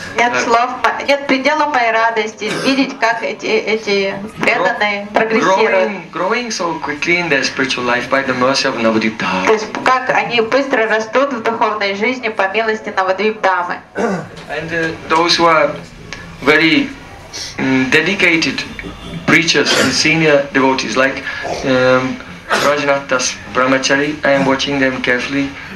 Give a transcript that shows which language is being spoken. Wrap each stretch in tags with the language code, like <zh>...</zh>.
<ru>Нет предела моей радости видеть, как эти преданные прогрессируют.</ru> <en>Growing so quickly in their spiritual life by the mercy of Navadvip Dham.</en> <ru>То есть как они быстро растут в духовной жизни по милости Навадвип Дамы.</ru> <en>And those who are very dedicated preachers and senior devotees like Rajanath Das Brahmachari, I am watching them carefully.</en>